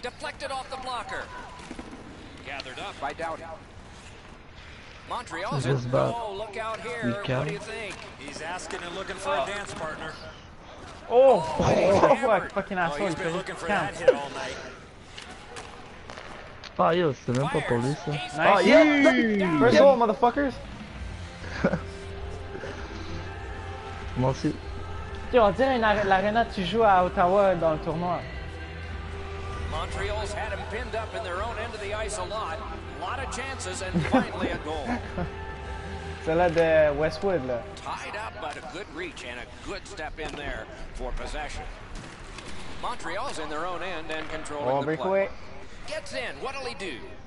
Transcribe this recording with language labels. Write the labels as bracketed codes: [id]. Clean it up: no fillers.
[en] Deflected off the blocker. Gathered up by Doughty. Montreal's in. Oh, look out here. What do you think? He's asking and looking for a dance partner. Oh, what fucking asshole. He's been looking for that hit all night. [fr] Ah, yo, c'est même pas pour lui ça. [en] Nice. Ah, yeah. First of all, motherfuckers. [fr] Moi aussi. Tu on dirait l'arena tu joues à Ottawa dans le tournoi. [en] Montreal's had him pinned up in their own end of the ice a lot. A lot of chances and finally a goal. [fr] Celle-là de Westwood là. [en] Tied up but a good reach and a good step in there for possession. Montreal's in their own end and controlling the play. Gets in. What'll he do?